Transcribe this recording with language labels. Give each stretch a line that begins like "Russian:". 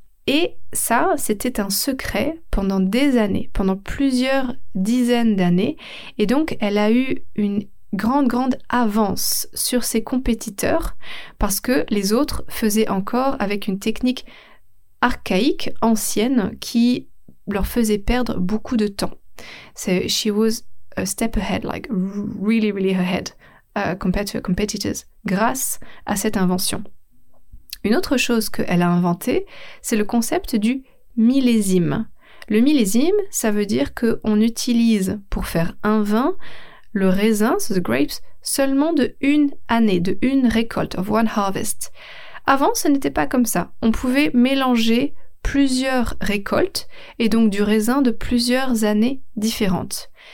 French: Et ça, c'était un secret pendant des années, pendant plusieurs dizaines d'années. Et donc, elle a eu une grande avance sur ses compétiteurs parce que les autres faisaient encore avec une technique archaïque, ancienne, qui leur faisait perdre beaucoup de temps.
English: So she was a step ahead, like really, really ahead compared to her competitors,
French: grâce à cette invention. Une autre chose qu'elle a inventée, c'est le concept du millésime. Le millésime, ça veut dire qu'on utilise pour faire un vin le raisin,
English: so the grapes,
French: seulement de une année, de une récolte,
English: of one harvest.
French: Avant, ce n'était pas comme ça. On pouvait mélanger plusieurs récoltes et donc du raisin de plusieurs années différentes.